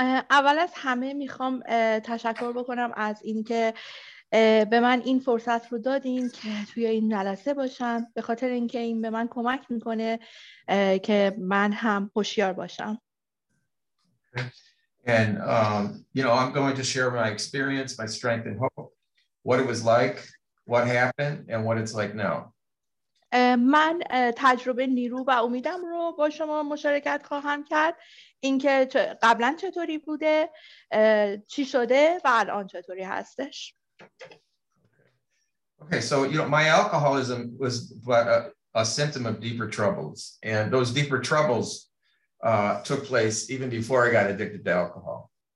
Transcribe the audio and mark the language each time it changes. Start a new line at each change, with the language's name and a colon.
Persian: اول از همه میخوام تشکر بکنم از اینکه به من این فرصت رو دادین که توی این جلسه باشم، به خاطر اینکه این به من کمک میکنه که من هم هوشیار باشم.
English: And I'm going to share my experience, my strength and hope, what it was like, what happened, and what it's like now.
Persian: من تجربه نیرو و امیدم رو با شما مشارکت خواهم کرد، اینکه قبلا چطوری بوده، چی شده و الان چطوری هستش.
English: Okay, so my alcoholism was but a symptom of deeper troubles, and those deeper troubles took place even before I got addicted to alcohol.